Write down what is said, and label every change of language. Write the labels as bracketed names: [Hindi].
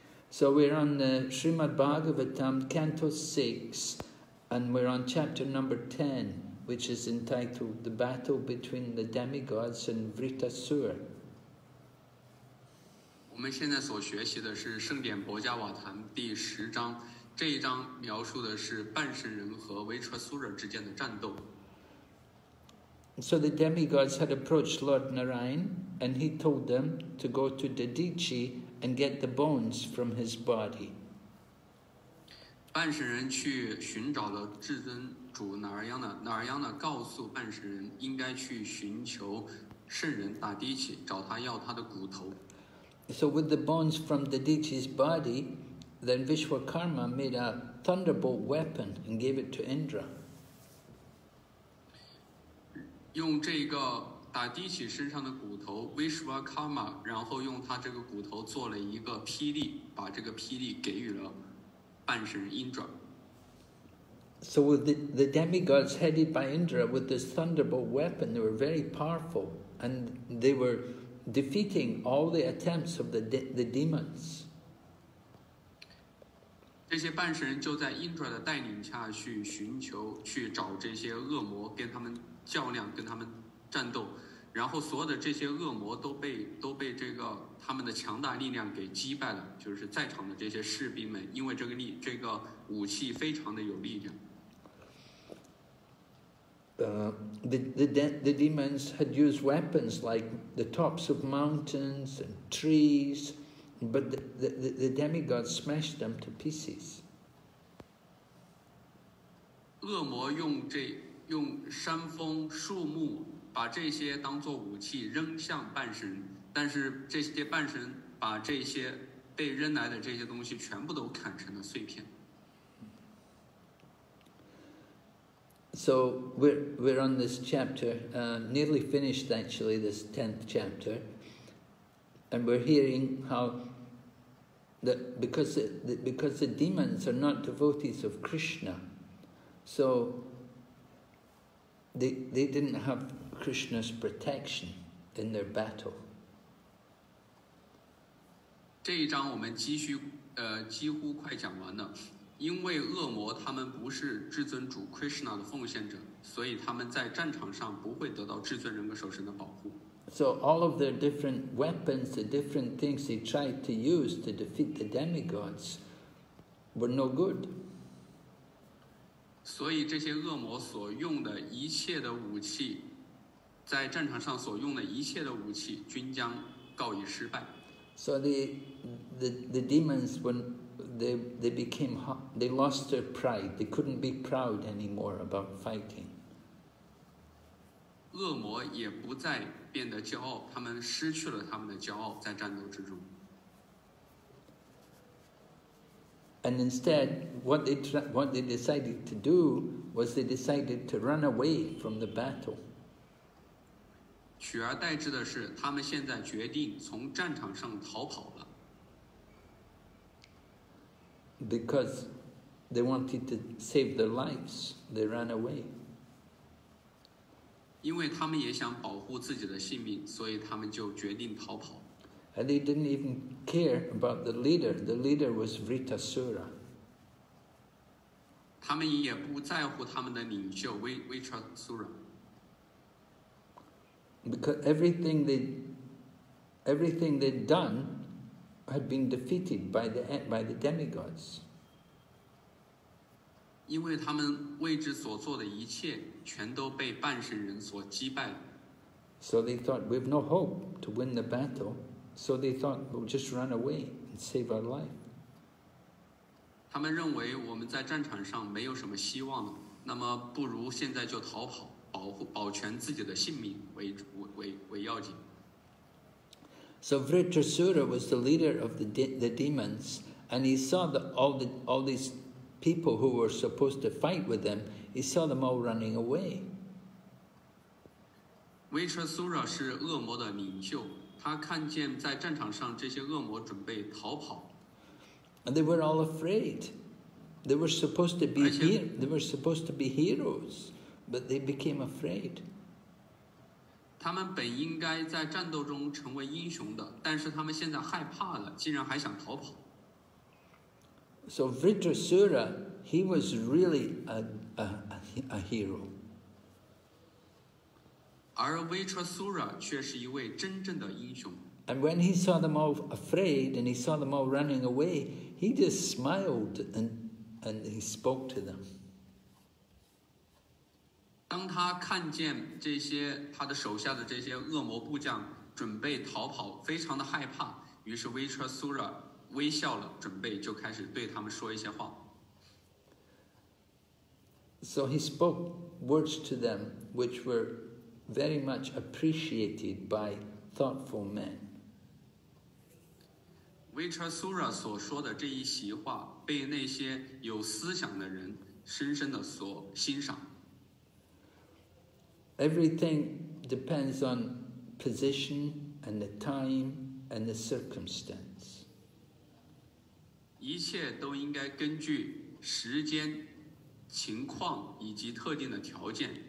[English] So we're on the Srimad Bhagavatam, Canto 6, and we're on chapter number 10, which is entitled The Battle Between the Demigods and Vritasur. [Chinese] 我们现在所学习的是《圣典薄伽瓦谭》第十章，这一章描述的是半神人和维彻苏惹之间的战斗。 [English] So the demigods had approached Lord Narayana, and he told them to go to Dadichi and get the bones from his body. [Chinese] 半神人去寻找了至尊主纳尔央纳，纳尔央纳告诉半神人应该去寻求圣人达迪奇，找他要他的骨头。 [English] So with the bones from Dadichi's body, then Vishwakarma made a thunderbolt weapon and gave it to Indra. [Chinese] 用这个打地起身上的骨头 ，Vishwakarma， 然后用他这个骨头做了一个霹雳，把这个霹雳给予了半神 Indra. [English] So the demigods headed by Indra with this thunderbolt weapon, they were very powerful, and they were defeating all the attempts of the demons. [Chinese] 这些半神人就在 Indra 的带领下去寻求去找这些恶魔，跟他们较量，跟他们战斗，然后所有的这些恶魔都被这个他们的强大力量给击败了，就是在场的这些士兵们，因为这个武器非常的有力量。 [English] The demons had used weapons like the tops of mountains and trees, but the demigods smashed them to pieces. [Chinese] 恶魔用山峰、树木把这些当作武器扔向半神，但是这些半神把这些被扔来的这些东西全部都砍成了碎片。 [English] So we're on this chapter, nearly finished actually, this 10th chapter. And we're hearing how that because the demons are not devotees of Krishna, so they didn't have Krishna's protection in their battle. [Chinese] 这一章我们几乎快讲完了。因为恶魔他们不是至尊主 Krishna 的奉献者，所以他们在战场上不会得到至尊人格守神的保护。 [English] So all of their different weapons, the different things they tried to use to defeat the demigods were no good. [Chinese] 所以这些恶魔所用的一切的武器在战场上所用的一切的武器均将告以失败。 [English] So the demons when they became hot, they lost their pride. They couldn't be proud anymore about fighting. [Chinese] 恶魔也不再变得骄傲，他们失去了他们的骄傲在战斗之中。 [English] And instead, what they decided to do was they decided to run away from the battle. [Chinese] 取而代之的是，他们现在决定从战场上逃跑了。 [English] Because they wanted to save their lives, they ran away. [Chinese] 因为他们也想保护自己的性命，所以他们就决定逃跑。 [English] And they didn't even care about the leader. The leader was Vritasura. [Chinese] 他们也不在乎他们的领袖 Vritasura. [English] Because everything they'd done had been defeated by the demigods. [Chinese] 因为他们为之所做的一切全都被半神人所击败了。 [English] So they thought, we have no hope to win the battle. So they thought, we'll just run away and save our life. [Chinese] 他们认为我们在战场上没有什么希望了，那么不如现在就逃跑，保全自己的性命为要紧。 [English] So Vritrasura was the leader of the demons, and he saw that all these people who were supposed to fight with them, he saw them all running away. [Chinese] Vritrasura 是恶魔的领袖。他看见在战场上这些恶魔准备逃跑。 [English] And they were all afraid. They were supposed to be here. They were supposed to be heroes, but they became afraid. [Chinese] 他们本应该在战斗中成为英雄的，但是他们现在害怕了，竟然还想逃跑。 [English] So Vritrasura, he was really a hero. [Chinese] 而 Vritrasura 却是一位真正的英雄。 [English] And when he saw them all afraid and he saw them all running away, he just smiled and he spoke to them. [Chinese] 当他看见这些他的手下的这些恶魔部将准备逃跑，非常的害怕，于是 Vritrasura 微笑了，准备就开始对他们说一些话。 [English] So he spoke words to them which were. Very much appreciated by thoughtful men. [Chinese] Vritrasura 所说的这一席话被那些有思想的人深深的所欣赏。 [English] Everything depends on position and the time and the circumstance. [Chinese] 一切都应该根据时间、情况以及特定的条件。